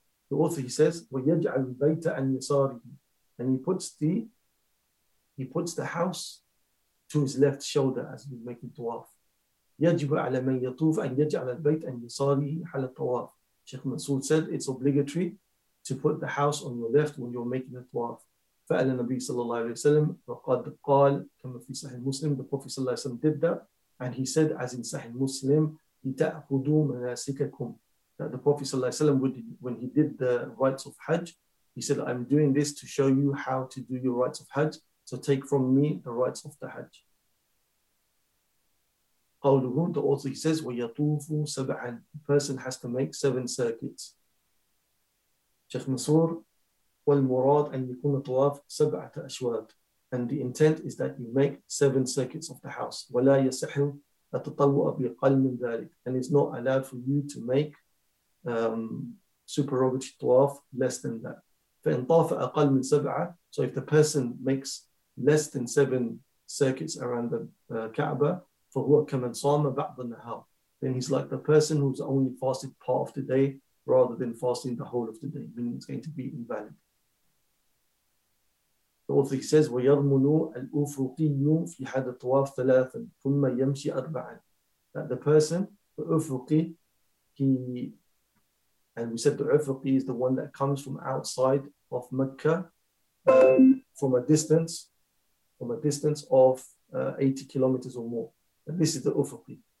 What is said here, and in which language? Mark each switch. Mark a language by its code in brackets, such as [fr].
[en] The author, he says, [ar] وَيَجْعَلُ الْبَيْتَ عَنْ يَسَارِهِ. [en] And he puts the house to his left shoulder as he's making tawaf. [ar] يَجْبَ عَلَى مَنْ يَطُوفْ أَنْ يَجْعَلَ الْبَيْتَ عَنْ يَسَارِهِ حَلَى الطَّوَافِ. [en] Sheikh Mansour said, it's obligatory to put the house on your left when you're making a tawaf. [ar] فعل النبي صلى الله عليه وسلم وقد قال كما في صحيح مسلم. [en] The Prophet صلى الله عليه وسلم did that, and he said, as in صحيح مسلم, [ar] لتأخذوا مناسككم, [en] that the Prophet صلى الله عليه وسلم, when he did the rites of Hajj, he said, I'm doing this to show you how to do your rites of Hajj, so take from me the rites of the Hajj. قوله, the author, he says, [ar] ويطوف سبعا, [en] the person has to make seven circuits. [ar] Sheikh Mansour, والمراد أن يكون طواف سبعة أشواط. [en] And the intent is that you make seven circuits of the house. [ar] ولا يصح التطوع بأقل من ذلك. [en] And it's not allowed for you to make supererogatory طواف less than that. [ar] فإن طاف أقل من سبعة, [en] so if the person makes less than seven circuits around the Kaaba, [ar] فهو كمن صام بعض النهار, [en] then he's like the person who's only fasted part of the day rather than fasting the whole of the day, meaning it's going to be invalid. The author, he says, [ar] وَيَرْمُنُوا الْأُفْرُقِيُّ فِي حَدَ الطَّوَافِ ثَلَاثًا ثُمَّ يَمْشِي أَرْبَعًا. [en] That the person, the أُفْرُقِي, and we said the أُفْرُقِي is the one that comes from outside of Mecca, from a distance of 80 kilometers or more. And this is the أُفْرُقِي.